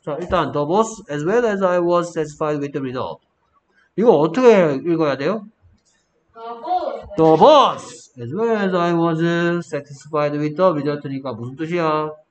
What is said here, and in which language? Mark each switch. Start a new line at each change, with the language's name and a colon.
Korean: 자 일단
English: the boss as well as I was satisfied with the result.
Korean: 이거 어떻게 읽어야 돼요?
English: The boss as well as I was satisfied with the result니까
Korean: 무슨 뜻이야?